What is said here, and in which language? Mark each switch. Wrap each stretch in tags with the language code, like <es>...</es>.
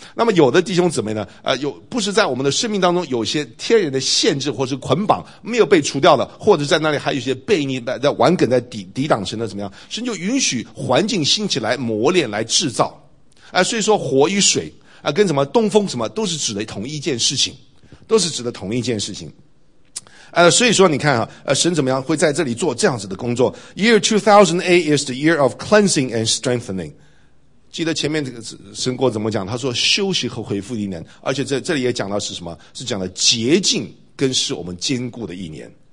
<zh>那么有的弟兄姊妹呢，有不是在我们的生命当中有些天然的限制或是捆绑没有被除掉的，或者在那里还有些悖逆在顽梗在抵挡神的怎么样，神就允许环境兴起来磨练来制造。所以说火与水跟什么东风什么都是指的同一件事情，都是指的同一件事情。所以说你看啊，神怎么样会在这里做这样子的工作。</zh> <en>Year 2008 is the year of cleansing and strengthening。</en> <zh>记得前面这个神国怎么讲，他说休息和恢复一年，而且这里也讲到是什么，是讲了洁净跟使我们坚固的一年。</zh>